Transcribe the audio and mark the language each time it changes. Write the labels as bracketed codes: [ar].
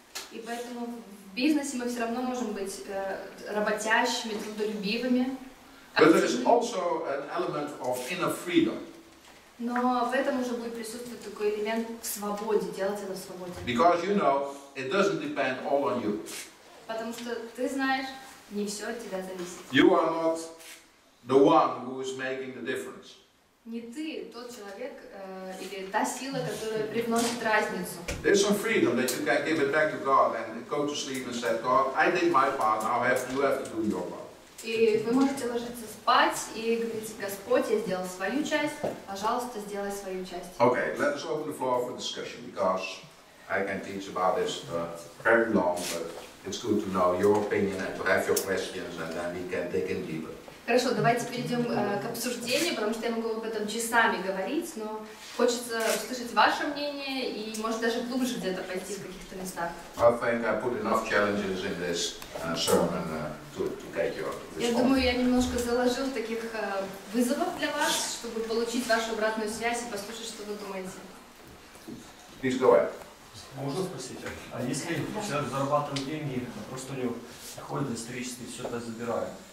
[ru] И поэтому в бизнесе мы все равно можем быть работящими, трудолюбивыми. [en] But there is also an element of inner freedom. [ru] Но в этом уже будет присутствовать такой элемент в свободе, делать это в свободе. [en] Because you know, it doesn't depend all on you. [ru] Потому что ты знаешь, не все от тебя зависит. [en] You are not the one who is making the difference. [ru] Не ты тот человек или та сила, которая привносит разницу. [en] There's some freedom that you can give it back to God and go to sleep and say, God, I did my part, now you have to do your part. [ru] И вы можете ложиться спать и говорить: Господь, я сделал свою часть, пожалуйста, сделай свою часть. [en] Okay, let us open the floor for discussion, because I can teach about this very long, but it's good to know your opinion and to have your questions, and then we can dig in deeper. [ru] Хорошо, давайте перейдем к обсуждению, потому что я могу об этом часами говорить, но хочется услышать ваше мнение и, может, даже глубже где-то пойти в каких-то местах. [en] I think I put enough challenges in this sermon to get your response. [ru] Я думаю, я немножко заложил таких вызовов для вас, чтобы получить вашу обратную связь и послушать, что вы думаете. [en] Please go ahead. [ru] Можно спросить? А если человек зарабатывает деньги, просто у него ходит на исторический, все это забирает?